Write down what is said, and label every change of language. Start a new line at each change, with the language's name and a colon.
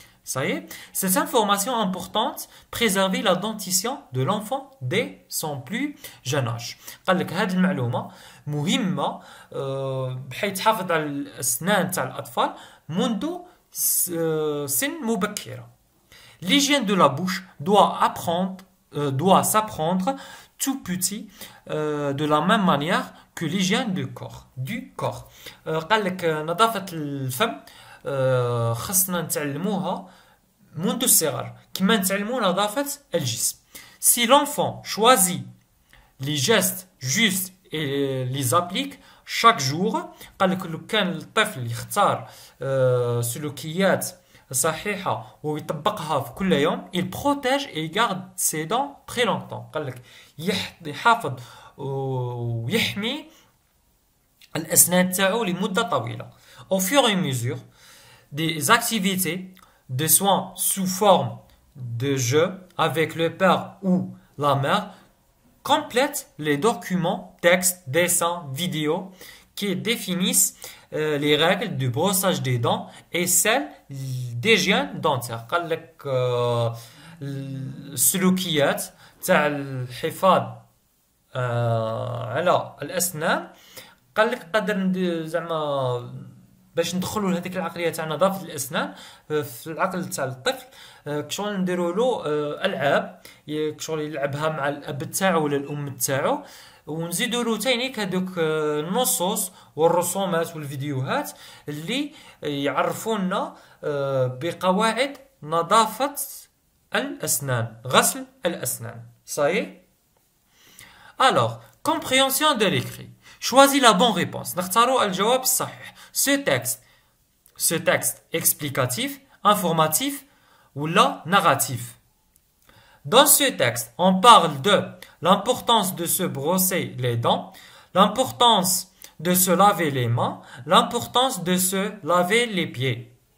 Arabic: صحيح،
French: cette information importante préserver la dentition de l'enfant dès son plus jeune âge.
Arabic: قال لك هذه المعلومه مهمه بحيث تحافظ على الاسنان تاع الاطفال منذ سن مبكرة.
French: L'hygiène de la bouche doit s'apprendre tout petit de la même manière que l'hygiène du corps.
Arabic: قال لك نظافة الفم خصنا نتعلموها منذ الصغر كما نتعلمو نظافة الجسم.
French: Si l'enfant choisit les gestes justes et les applique chaque jour,
Arabic: قال لك لو كان الطفل يختار سلوكيات صحيحة ويطبقها في كل يوم
French: il protège et garde ses dents très longtemps.
Arabic: قال لك يحافظ ويحمي الأسنان تاعو لمدة طويلة.
French: Au fur et à mesure, des activités de soins sous forme de jeu avec le père ou la mère complète les documents, textes, dessins, vidéos qui définissent les règles du brossage des dents et celles d'hygiène dentaire.
Arabic: قال لك السلوكيات تاع الحفاظ على الأسنان قال لك قدر زعما باش ندخلوا لهذيك العقلية تاع نظافة الأسنان في العقل تاع الطفل كشغل نديرو له ألعاب كشغل يلعبها مع الأب تاعو ولا الأم تاعو ونزيدو له تاني كدوك النصوص والرسومات والفيديوهات اللي يعرفونا بقواعد نظافة الأسنان غسل الأسنان. صحيح.
French: Alors, compréhension de l'écrit. Choisis la bonne réponse.
Arabic: نختارو الجواب الصحيح.
French: Ce texte explicatif, informatif ou là narratif. Dans ce texte, on parle de l'importance de se brosser les dents, l'importance de se laver les mains, l'importance de se laver les pieds.